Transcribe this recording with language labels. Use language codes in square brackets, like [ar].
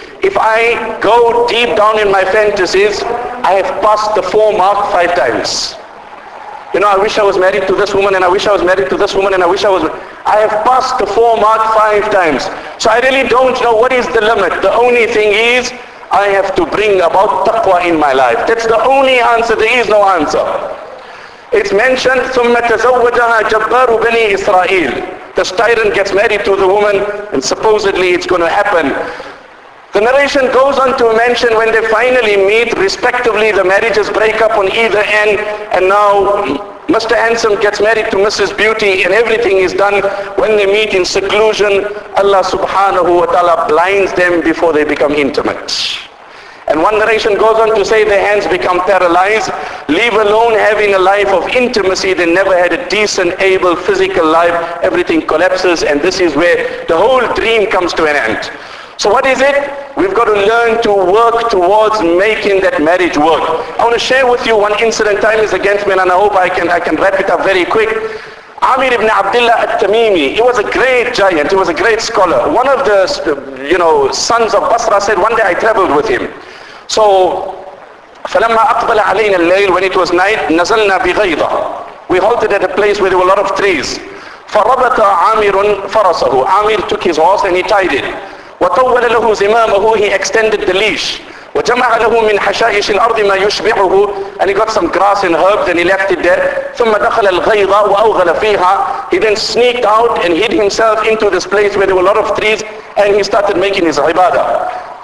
[en] If I go deep down in my fantasies, I have passed the 4 mark 5 times. You know, I wish I was married to this woman, and I wish I was married to this woman, and I wish I was... I have passed the 4 mark 5 times. So I really don't know what is the limit. The only thing is, I have to bring about taqwa in my life. That's the only answer. There is no answer. It's mentioned, [ar] ثُمَّ تَزَوَّجَهَا جَبَّارُ بَنِي إِسْرَائِيلِ. [en] This tyrant gets married to the woman, and supposedly it's going to happen. The narration goes on to mention when they finally meet, respectively, the marriages break up on either end, and now Mr. Handsome gets married to Mrs. Beauty, and everything is done. When they meet in seclusion, Allah subhanahu wa ta'ala blinds them before they become intimate. And one narration goes on to say their hands become paralyzed, leave alone having a life of intimacy, they never had a decent, able, physical life, everything collapses, and this is where the whole dream comes to an end. So what is it? We've got to learn to work towards making that marriage work. I want to share with you one incident. Time is against me and I hope I can wrap it up very quick. Amir ibn Abdullah al-Tamimi, he was a great giant, he was a great scholar. One of the, you know, sons of Basra said, one day I traveled with him. So, [ar] فَلَمَّا أَقْبَلَ عَلَيْنَا اللَّيْلِ, [en] when it was night, [ar] نَزَلْنَا بِغَيْضَةٍ. [en] We halted at a place where there were a lot of trees. [ar] فَرَبَطَ عَامِرٌ فَرَصَهُ. [en] Amir took his horse and he tied it. [ar] وَطَوَّلَ لَهُ زِمَامَهُ, [en] he extended the leash. [ar] وَجَمَعَ لَهُ مِنْ حَشَائِشِ الْأَرْضِ مَا يُشْبِعُهُ, [en] and he got some grass and herbs and he left it there. [ar] ثُمَّ دَخَلَ الْغَيْضَ وَأَوْغَلَ فِيهَا, [en] he then sneaked out and hid himself into this place where there were a lot of trees and he started making his ibadah.